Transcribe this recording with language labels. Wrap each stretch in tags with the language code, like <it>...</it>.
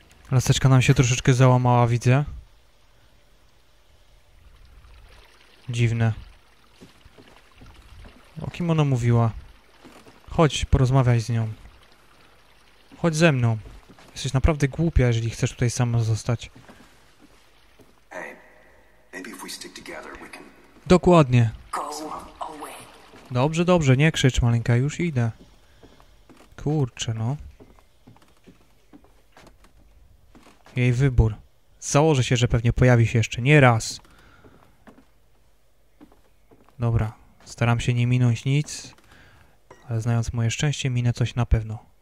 <pl>Laseczka nam się troszeczkę załamała, widzę. Dziwne. Kim ona mówiła? Chodź, porozmawiaj z nią. Chodź ze mną. Jesteś naprawdę głupia, jeżeli chcesz tutaj sama zostać.</pl> <en>Hey, maybe if we stick together, we can...</en> <pl>Dokładnie.</pl> <en>Go away.</en> <pl>Dobrze, dobrze, nie krzycz, maleńka, już idę. Kurczę, no. Jej wybór. Założę się, że pewnie pojawi się jeszcze nie raz. Dobra. Staram się nie minąć nic, ale znając moje szczęście, minę coś na pewno.</pl>